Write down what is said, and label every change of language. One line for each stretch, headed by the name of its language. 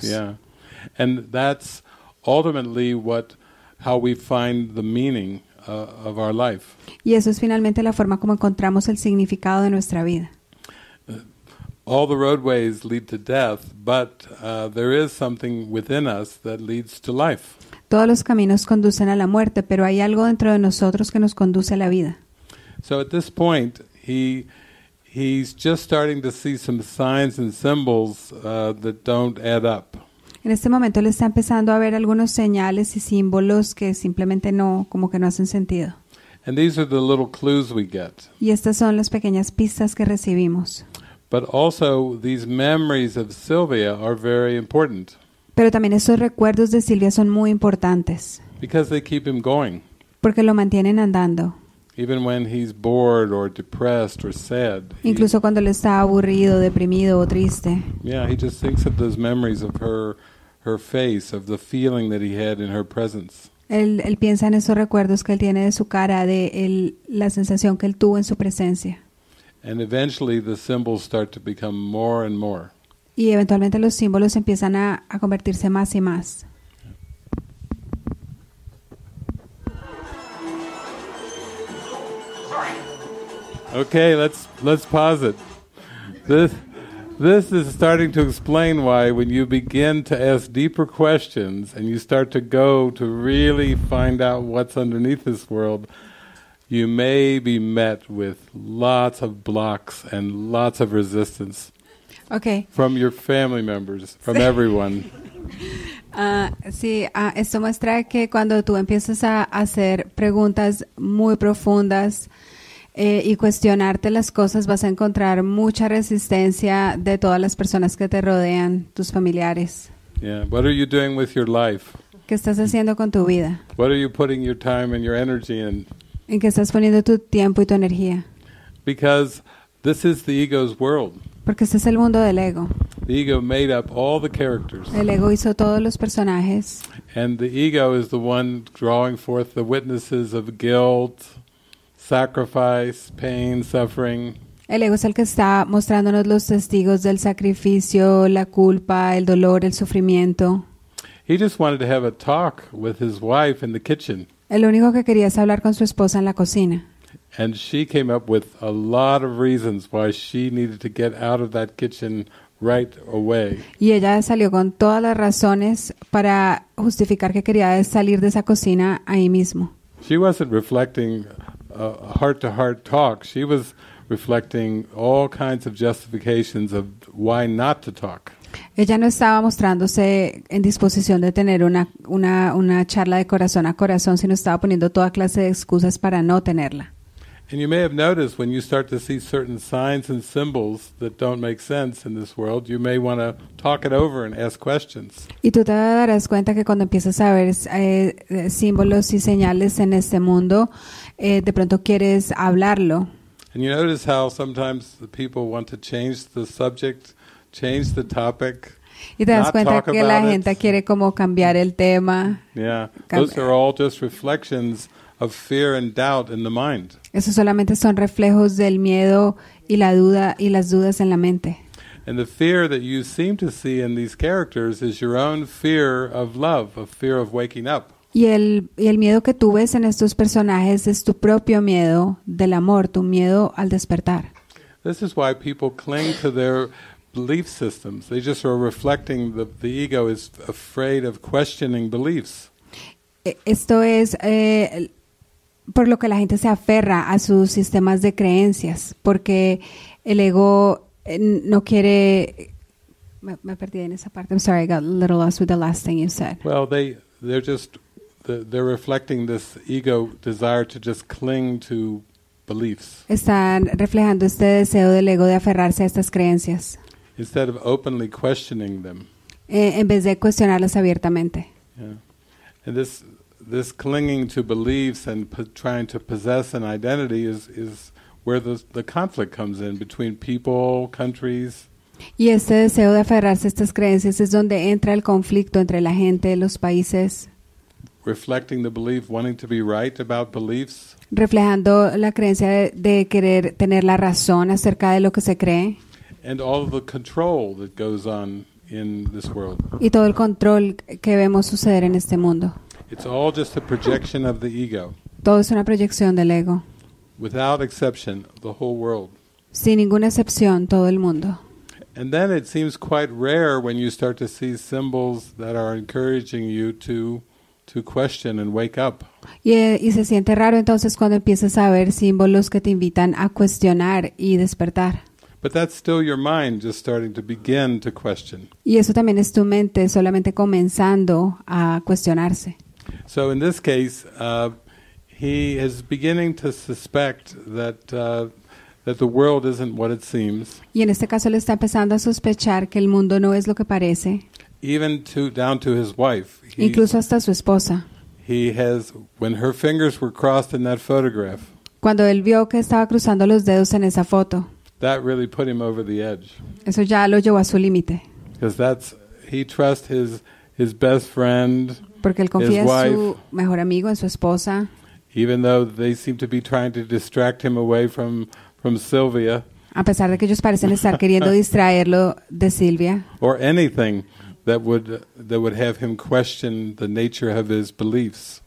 English: Yeah. And that's ultimately how we find the meaning of our life.
Spanish: Y eso es finalmente la forma como encontramos el significado de nuestra vida.
English: All the roadways lead to death, but there is something within us that leads to life.
Spanish: Todos los caminos conducen a la muerte, pero hay algo dentro de nosotros que nos conduce a la vida.
English: So at this point, he's just starting to see some signs and symbols that don't add up.
Spanish: En este momento le está empezando a ver algunos señales y símbolos que simplemente no, como que no hacen sentido.
English: And these are the little clues we get.
Spanish: Y estas son las pequeñas pistas que recibimos.
English: But also, these memories of Sylvia are very important.
Spanish: Pero también esos recuerdos de Silvia son muy importantes.
English: Because they keep him going.
Spanish: Porque lo mantienen andando.
English: Even when he's bored or depressed or sad.
Spanish: Incluso cuando él está aburrido, deprimido o triste.
English: Yeah, he just thinks of those memories of her face, of the feeling that he had in her presence.
Spanish: Él piensa en esos recuerdos que él tiene de su cara, de la sensación que él tuvo en su presencia.
English: And eventually the symbols start to become more and more.
Spanish: Y eventualmente los símbolos empiezan a convertirse más y más.
English: Okay, let's pause it. This is starting to explain why when you begin to ask deeper questions and you start to go to really find out what's underneath this world, you may be met with lots of blocks and lots of resistance. Okay. From your family members, from everyone.
Spanish: Esto muestra que cuando tú empiezas a hacer preguntas muy profundas, y cuestionarte las cosas, vas a encontrar mucha resistencia de todas las personas que te rodean, tus familiares.
English: Yeah, what are you doing with your life?
Spanish: ¿Qué estás haciendo con tu vida?
English: What are you putting your time and your energy in?
Spanish: ¿En qué estás poniendo tu tiempo y tu energía?
English: Because this is the ego's world.
Spanish: Porque este es el mundo del ego.
English: The ego made up all the characters.
Spanish: El ego hizo todos los personajes.
English: And the ego is the one drawing forth the witnesses of guilt, sacrifice, pain, suffering.
Spanish: El ego es el que está mostrándonos los testigos del sacrificio, la culpa, el dolor, el sufrimiento.
English: He just wanted to have a talk with his wife in the kitchen.
Spanish: El único que quería es hablar con su esposa en la cocina.
English: And she came up with a lot of reasons why she needed to get out of that kitchen right away.
Spanish: Y ella salió con todas las razones para justificar que quería salir de esa cocina ahí mismo.
English: She wasn't reflecting a heart-to-heart talk. She was reflecting all kinds of justifications of why not to talk.
Spanish: Ella no estaba mostrándose en disposición de tener una charla de corazón a corazón, sino estaba poniendo toda clase de excusas para no tenerla.
English: And you may have noticed when you start to see certain signs and symbols that don't make sense in this world, you may want to talk it over and ask questions.
Spanish: Y tú te darás cuenta que cuando empiezas a ver símbolos y señales en este mundo, de pronto quieres hablarlo.
English: And you notice how sometimes the people want to change the subject, change the topic.
Spanish: Y te das cuenta que la gente quiere como cambiar el tema.
English: Yeah, those are all just reflections of fear and doubt in the mind.
Spanish: Eso solamente son reflejos del miedo y la duda y las dudas en la mente.
English: And the fear that you seem to see in these characters is your own fear of love, a fear of waking up.
Spanish: Y el miedo que tú ves en estos personajes es tu propio miedo del amor, tu miedo al despertar.
English: This is why people cling to their belief systems. They just are reflecting the ego is afraid of questioning beliefs.
Spanish: Esto es por lo que la gente se aferra a sus sistemas de creencias, porque el ego no quiere. Me perdí en esa parte.
English: I'm sorry, I got a little lost with the last thing you said. Well, they're reflecting this ego desire to just cling to beliefs.
Spanish: Están reflejando este deseo del ego de aferrarse a estas creencias.
English: Instead of openly questioning them.
Spanish: En vez de cuestionarlas abiertamente.
English: Yeah. And this clinging to beliefs and trying to possess an identity is where the conflict comes in between people, countries.
Spanish: Y este deseo de aferrarse a estas creencias es donde entra el conflicto entre la gente, los países.
English: Reflecting the belief, wanting to be right about beliefs.
Spanish: Reflejando la creencia de querer tener la razón acerca de lo que se cree.
English: And all of the control that goes on in this world.
Spanish: Y todo el control que vemos suceder en este mundo.
English: It's all just a projection of the ego.
Spanish: Todo es una proyección del ego.
English: Without exception, the whole world.
Spanish: Sin ninguna excepción, todo el mundo.
English: And then it seems quite rare when you start to see symbols that are encouraging you to question and wake up.
Spanish: Y se siente raro entonces cuando empiezas a ver símbolos que te invitan a cuestionar y despertar.
English: But that's still your mind just starting to begin to question.
Spanish: Y eso también es tu mente solamente comenzando a cuestionarse.
English: So in this case, he is beginning to suspect that the world isn't what it seems.
Spanish: Y en este caso le está empezando a sospechar que el mundo no es lo que parece.
English: Even to down to his wife.
Spanish: Incluso hasta su esposa.
English: He has when her fingers were crossed in that photograph.
Spanish: Cuando él vio que estaba cruzando los dedos en esa foto.
English: That really put him over the edge.
Spanish: Eso ya lo llevó a su límite.
English: Because that's he trusts his best friend.
Spanish: Porque él confía
English: his wife,
Spanish: en su mejor amigo, en su esposa.
English: Even though they seem to be trying to distract him away from Sylvia.
Spanish: A pesar de que ellos parecen estar queriendo distraerlo de Silvia.
English: Or anything that would have him question the nature of his beliefs.